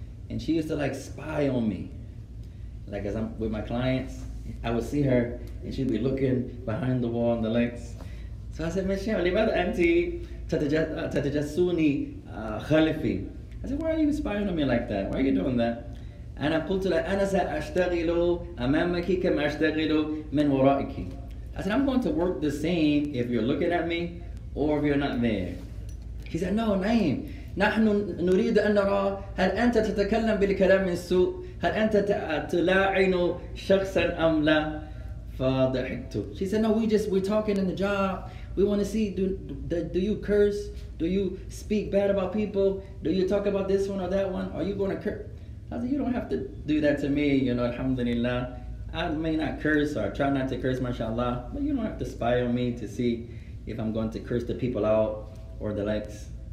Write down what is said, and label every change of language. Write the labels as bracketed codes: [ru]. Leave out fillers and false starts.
[en] And she used to like spy on me. Like as I'm with my clients, I would see her and she'd be looking behind the wall and the likes. So I said, Miss Sharon, leave out the auntie, Tatajasuni Khalifi. I said, why are you spying on me like that? Why are you doing that? [ar] أنا قلت لها أنا سأشتغل أمامك كما أشتغل من ورائك. [en] I said, I'm going to work the same if you're looking at me or if you're not there. He said, no, [ar] نعم. نحن نريد أن نرى هل أنت تتكلم بالكلام السوء؟ هل أنت تلاعن شخصا أم لا؟ فضحكت. [en] She said, no, we're talking in the job. We want to see, do you curse? Do you speak bad about people? Do you talk about this one or that one? Are you going to curse? I said, you don't have to do that to me, you know, alhamdulillah. I may not curse or try not to curse, mashallah, but you don't have to spy on me to see if I'm going to curse the people out or the likes.